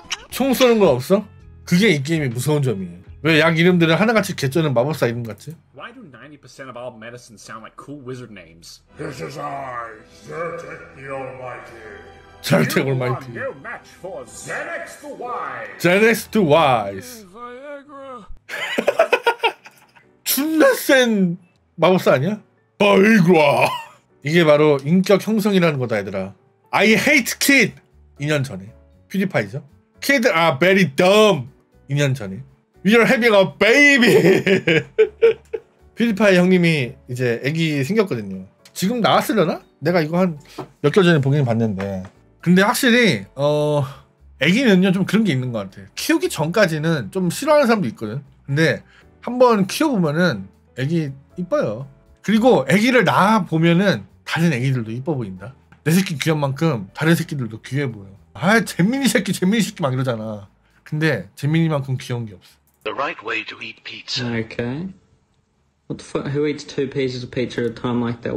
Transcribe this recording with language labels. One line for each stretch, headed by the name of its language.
Korean: 총 쏘는 건 없어? 그게 이 게임의 무서운 점이에요. 왜 약 이름들은 하나같이 개쩌는 마법사 이름 같지?
English: Why do 90% of all medicine sound like cool wizard names? This is I, Zyrtec the Almighty.
Korean: 절대 올마이티.
English: Zenex the Wise. Zenex the Wise.
Korean: 존나 센 마법사 아니야? 바이그라. 이게 바로 인격 형성이라는 거다 얘들아.
English: I hate kid.
Korean: 2년 전에. 퓨디파이죠?
English: Kid are very dumb.
Korean: 2년 전에.
English: We are having a baby.
Korean: 퓨디파이 형님이 이제 애기 생겼거든요. 지금 나왔으려나? 내가 이거 한 몇 개월 전에 보긴 봤는데. 근데 확실히 애기는요 좀 그런 게 있는 것 같아. 키우기 전까지는 좀 싫어하는 사람도 있거든. 근데 한번 키워보면은 애기 이뻐요. 그리고 애기를 낳아보면은 다른 애기들도 이뻐 보인다. 내 새끼 귀한 만큼 다른 새끼들도 귀해 보여. 아 재민이 새끼 막 이러잖아. 근데 재민이만큼 귀여운 게 없어.
English: The right way to eat pizza. Okay. What the fuck? Who eats two pieces of pizza at a time like that?